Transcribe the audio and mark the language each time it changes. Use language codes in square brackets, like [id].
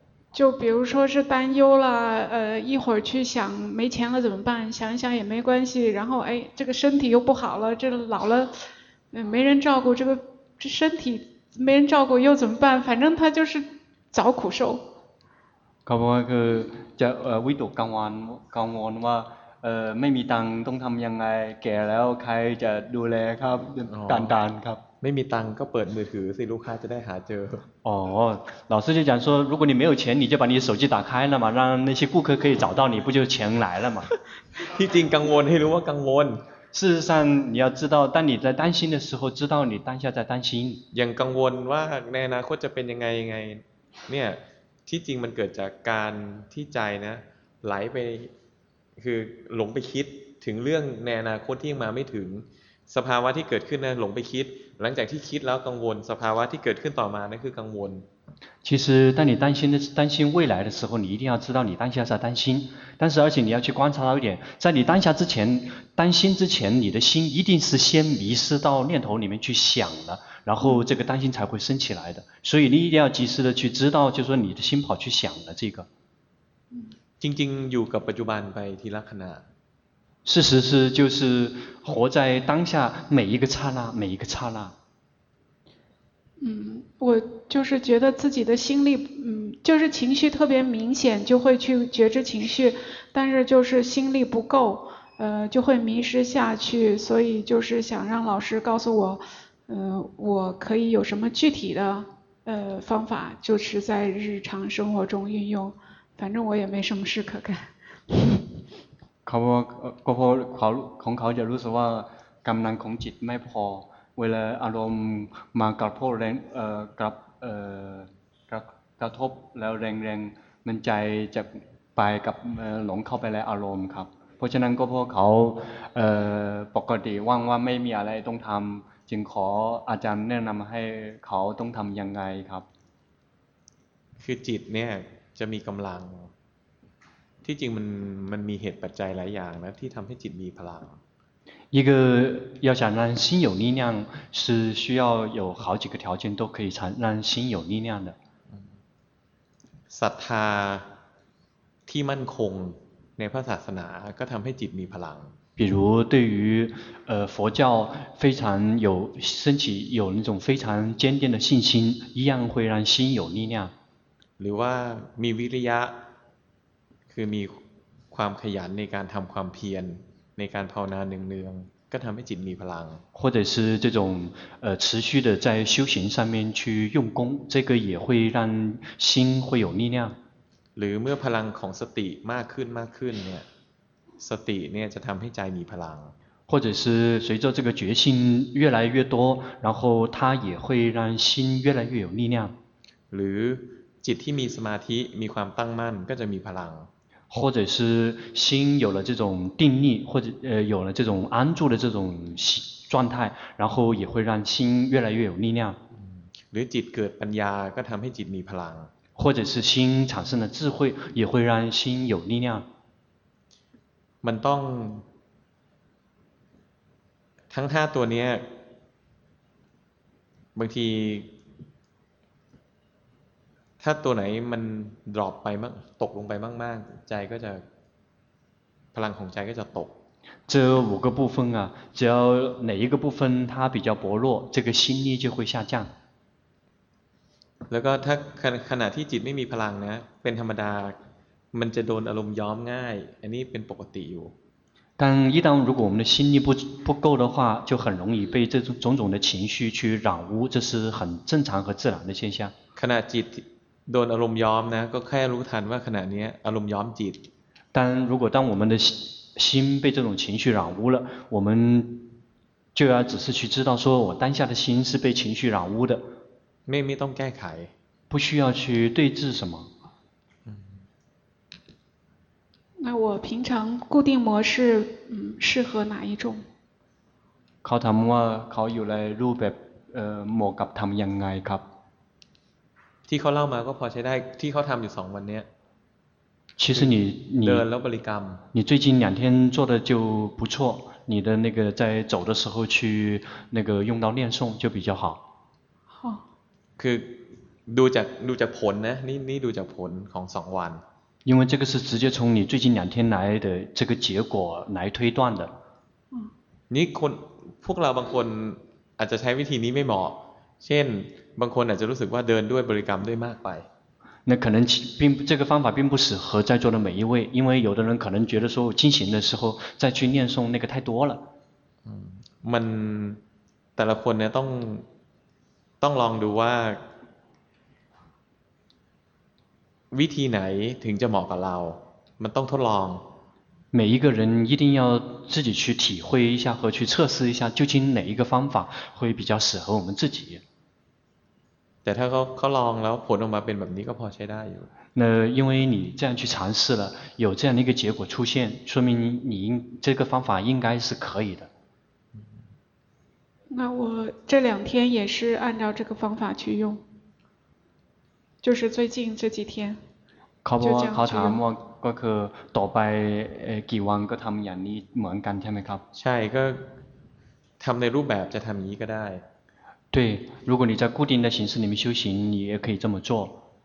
[zh] 就比如说是担忧了，一会儿去想没钱了怎么办？想一想也没关系。然后哎，这个身体又不好了，这老了，没人照顾，这身体没人照顾又怎么办？反正他就是找苦受。 [th] เขาบอกว่าคือจะวิตกกังวลว่าไม่มีตังต้องทำยังไงแก่แล้วใครจะดูแลครับดานๆครับ ไม่มีตังก็เปิดมือถือสิลูกค้าจะได้หาเจ [zh] ออ๋อ老师就讲说如果你没有钱你就把你手机打开了嘛让那些顾客可以找到你不就钱来了嘛 [th] ที่จริงกังวลให้รู้ว่ากังวล [zh] 事实上你要知道当你在担心的时候知道你当下在担心 [th] ยังกังวลว่าในอนาคตจะเป็นยังไงเนี่ยที่จริงมันเกิดจากการที่ใจนะไหลไปคือหลงไปคิดถึงเรื่องในอนาคตที่ยังมาไม่ถึงสภาวะที่เกิดขึ้นนะหลงไปคิดหลังจากที่คิดแล้วกังวลสภาวะที่เกิดขึ้นต่อมานั่นคือกังวล [zh] 其实当你担心未来的时候你一定要知道你当下在担心但是而且你要去观察到一点在你当下之前担心之前你的心一定是先迷失到念头里面去想了然后这个担心才会升起来的所以你一定要及时的去知道就是说你的心跑去想了这个 [th] จริงๆอยู่กับปัจจุบันไปทีละขณะ [zh] 事实是就是活在当下每一个刹那每一个刹那我就是觉得自己的心力就是情绪特别明显就会去觉知情绪但是就是心力不够就会迷失下去所以就是想让老师告诉我我可以有什么具体的方法就是在日常生活中运用反正我也没什么事可干 [th] เขาบอกว่าของเขาจะรู้สึกว่ากำลังของจิตไม่พอเวลาอารมณ์มากระทบแรงกระทบแล้วแรงๆมันใจจะไปกับหลงเข้าไปในอารมณ์ครับเพราะฉะนั้นก็เพราะเขาปกติว่างๆไม่มีอะไรต้องทำจึงขออาจารย์แนะนำให้เขาต้องทำยังไงครับ คือจิตเนี่ยจะมีกำลังที่จริงมันมีเหตุปัจจัยหลายอย่างนะที่ทำให้จิตมีพลัง [zh] 一个要想让心有力量是需要有好几个条件都可以产让心有力量的 [th] ศรัทธาที่มั่นคงในพระศาสนาก็ทำให้จิตมีพลัง [zh] 比如对于佛教非常有升起有那种非常坚定的信心一样会让心有力量 [th] หรือว่ามีวิริยะคือมีความขยันในการทำความเพียรในการภาวนาเนืองๆก็ทำให้จิตมีพลัง [zh] 或者是这种持续的在修行上面去用功这个也会让心会有力量 [th] หรือเมื่อพลังของสติมากขึ้นมากขึ้นเนี่ยสติเนี่ยจะทำให้ใจมีพลัง [zh] 或者是随着这个决心越来越多然后它也会让心越来越有力量 [th] หรือจิตที่มีสมาธิมีความตั้งมั่นก็จะมีพลัง [zh] 或者是心有了这种定力或者有了这种安住的这种状态然后也会让心越来越有力量 [th] หรือจิตเกิดปัญญาก็ทำให้จิตมีพลัง [zh] 或者是心产生了智慧也会让心有力量 [th] มันต้องทั้ง5ตัวนี้บางทีถ้าตัวไหนมันดรอปไปมากตกลงไปมากๆใจก็จะพลังของใจก็จะตก [zh] 这五个部分啊只要哪一个部分它比较薄弱这个心力就会下降 [th] แล้วก็ถ้าขณะที่จิตไม่มีพลังนะเป็นธรรมดามันจะโดนอารมณ์ย้อมง่ายอันนี้เป็นปกติอยู่ [zh] 但一旦如果我们的心力不够的话就很容易被这种种的情绪去染污这是很正常和自然的现象 [th] ขณะจิตโดนอารมณ์ย้อมนะก็แค่รู้ทันว่าขณะนี้อารมณ์ย้อมจิต [zh] 但如果当我们的心被这种情绪染污了我们就要只是去知道说我当下的心是被情绪染污的 [th] ไม่ต้องแก้ไข [zh] 不需要去对治什么那我平常固定模式适合哪一种 [th] เขาถามว่าเขาอยู่ในรูปแบบเหมาะกับทำยังไงครับ ที่เขาเล่ามาก็พอใช้ได้ที่เขาทำอยู่สองวันเนี้ย [zh] 其实你 [th] เดินแล้วบริกรรม [zh] 你最近两天做的就不错你的那个在走的时候去那个用到念诵就比较好 [th] คือดูจากผลนะนี่ดูจากผลของ2วัน [zh] 因为这个是直接从你最近两天来的这个结果来推断的 [th] นี่คนพวกเราบางคนอาจจะใช้วิธีนี้ไม่เหมาะเช่นบางคนอาจจะรู้สึกว่าเดินด้วยบริกรรมด้วยมากไป [zh] 那可能并这个方法并不适合在座的每一位因为有的人可能觉得说进行的时候再去念诵那个太多了 [th] มันแต่ละคนเนี่ยต้องลองดูว่าวิธีไหนถึงจะเหมาะกับเรามันต้องทดลอง [zh] 每一个人一定要自己去体会一下和去测试一下究竟哪一个方法会比较适合我们自己 [th] แต่ถ้าเขาลองแล้วผลออกมาเป็นแบบนี้ก็พอใช้ได้อยู่ [zh] 那因为你这样去尝试了有这样的一个结果出现说明你这个方法应该是可以的那我这两天也是按照这个方法去用就是最近这几天考察我 [th] ก็คือต่อไปกี่วันก็ทำอย่างนี้เหมือนกันใช่ไหมครับ ใช่ก็ทำในรูปแบบจะทำอย่างนี้ก็ได้ [zh] 对如果你在固定的形式里面修行你也可以这么做